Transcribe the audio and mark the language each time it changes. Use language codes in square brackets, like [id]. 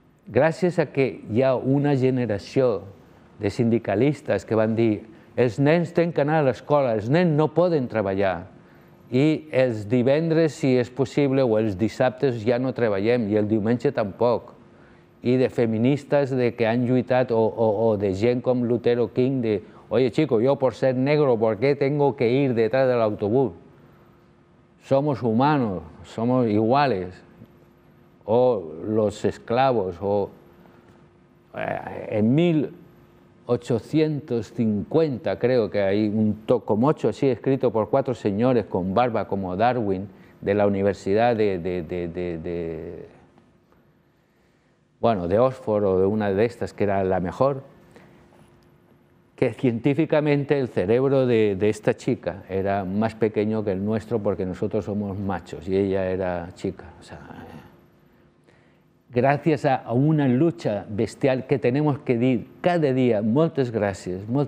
[ca] Gràcies a que hi ha una generació de sindicalistes que van dir els nens han d'anar a l'escola, els nens no poden treballar i els divendres, si és possible, o els dissabtes ja no treballem i el diumenge tampoc. I de feministes que han lluitat o de gent com Luther King de [es] oye, chico, yo por ser negro, ¿por qué tengo que ir detrás de l'autobús? Somos humanos, somos iguales. O los esclavos, o en 1850, creo que hay un tocomocho así escrito por cuatro señores con barba como Darwin, de la Universidad de Oxford o de una de estas, que era la mejor, que científicamente el cerebro de esta chica era más pequeño que el nuestro porque nosotros somos machos y ella era chica, o sea... [ca] Gràcies a una [es] lucha bestial que tenemos que [ca] dir cada dia moltes gràcies,